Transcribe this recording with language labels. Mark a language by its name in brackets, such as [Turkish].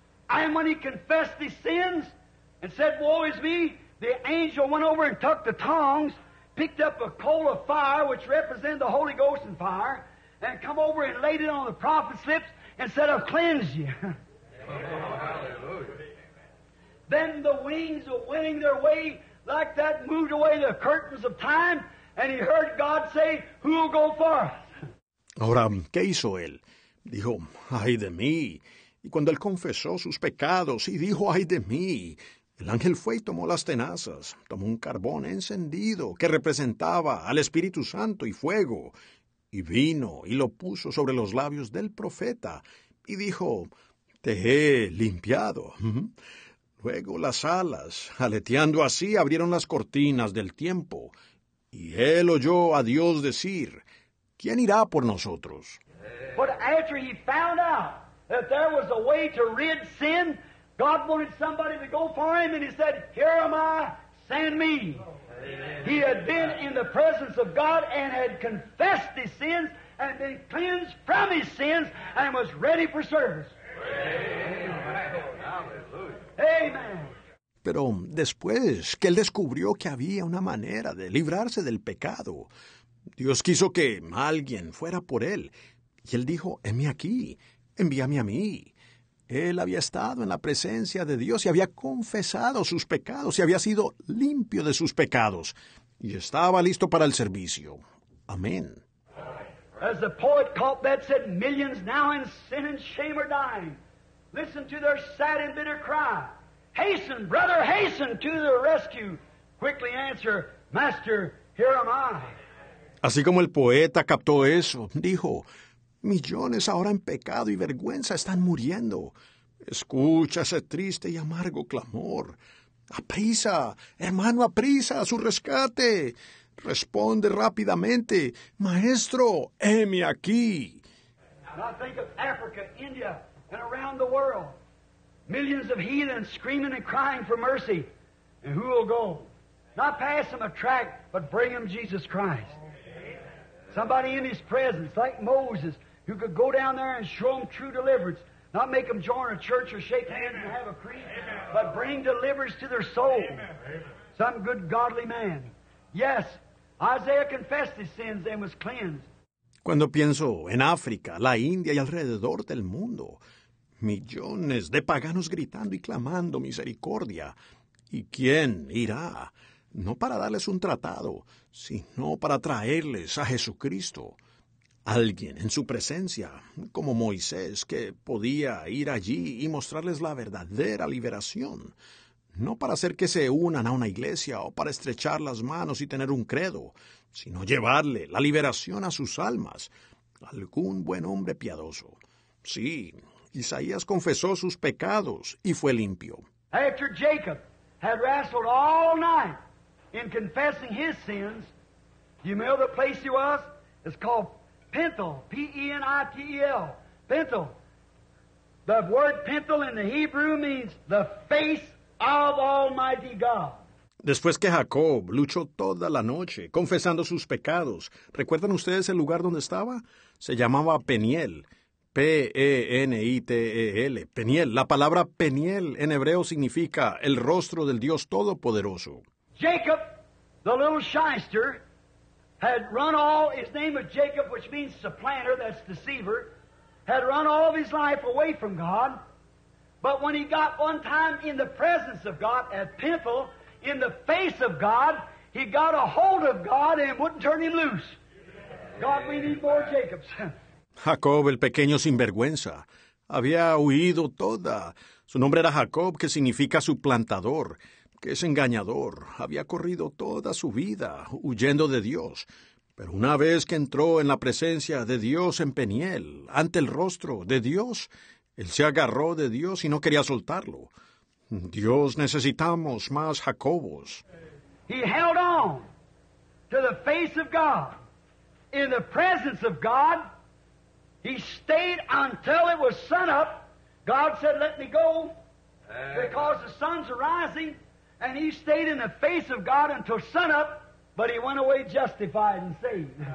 [English] And when he confessed his sins and said, woe is me, the angel went over and took the tongs, picked up a coal of fire, which represented the Holy Ghost and fire, and come over and laid it on the prophet's lips and said, I'll cleanse you. Oh, hallelujah. Then the wings were winning their way like that, moved away the curtains of time, and he heard God say, who'll go for us? [Spanish] Ahora, ¿qué hizo él? Dijo, ay de mí. Y cuando él confesó sus pecados y dijo, ay de mí, el ángel fue y tomó las tenazas, tomó un carbón encendido que representaba al Espíritu Santo y fuego, y vino y lo puso sobre los labios del profeta, y dijo, te he limpiado. Luego las alas, aleteando así, abrieron las cortinas del tiempo, y él oyó a Dios decir, ¿quién irá por nosotros? [English] But after he found out that there was a way to rid sin, God wanted somebody to go for him, and he said, here am I, send me. Amen. He had been in the presence of God and had confessed his sins and been cleansed from his sins and was ready for service. Amen. [Spanish] Pero después que él descubrió que había una manera de librarse del pecado, Dios quiso que alguien fuera por él, y él dijo, heme aquí, envíame a mí. Él había estado en la presencia de Dios y había confesado sus pecados y había sido limpio de sus pecados y estaba listo para el servicio. Amén. [English] As the poet called that said, millions now in sin and shame are dying. Listen to their sad and bitter cry. Hasten, brother, hasten to the rescue. Quickly answer, Master, here am I. [Spanish] Así como el poeta captó eso, dijo, millones ahora en pecado y vergüenza están muriendo. Escucha ese triste y amargo clamor. ¡Aprisa, hermano, aprisa a su rescate! Responde rápidamente, Maestro, heme aquí. [English] Now I think of Africa, India, and around the world. Millions of heathen screaming and crying for mercy. And who will go? Not pass them a tract, but bring them Jesus Christ. Somebody in his presence, like Moses, who could go down there and show them true deliverance, not make them join a church or shake hands and have a creed, but bring deliverance to their soul. Some good godly man. Yes, Isaiah confessed his sins and was cleansed. [Spanish] Cuando pienso en África, la India y alrededor del mundo, millones de paganos gritando y clamando misericordia, ¿y quién irá? No para darles un tratado, sino para traerles a Jesucristo. Alguien en su presencia, como Moisés, que podía ir allí y mostrarles la verdadera liberación. No para hacer que se unan a una iglesia o para estrechar las manos y tener un credo, sino llevarle la liberación a sus almas. Algún buen hombre piadoso. Sí, Isaías confesó sus pecados y fue limpio. [English] After Jacob had wrestled all night in confessing his sins, you know the place he was? It's called Penthel, P-E-N-I-T-E-L, Penthel. The word Penthel in the Hebrew means the face of Almighty God. [Spanish] Después que Jacob luchó toda la noche confesando sus pecados, ¿recuerdan ustedes el lugar donde estaba? Se llamaba Peniel, P-E-N-I-T-E-L, Peniel. La palabra Peniel en hebreo significa el rostro del Dios Todopoderoso. [English] Jacob, the little shyster, had run all, his name was Jacob, which means supplanter, that's deceiver, had run all of his life away from God. But when he got one time in the presence of God, at Penthel, in the face of God, he got a hold of God and wouldn't turn him loose. God, we need more Jacobs. [Spanish] Jacob, el pequeño sinvergüenza, había huido toda. Su nombre era Jacob, que significa suplantador. Que es engañador, había corrido toda su vida huyendo de Dios. Pero una vez que entró en la presencia de Dios en Peniel, ante el rostro de Dios, él se agarró de Dios y no quería soltarlo. Dios, necesitamos más Jacobos. [English] He held on to the face of God. in the presence of God. He stayed until it was sun up. God said, let me go, because the sun's arising. And he stayed in the face of God until sun up, but he went away justified and saved.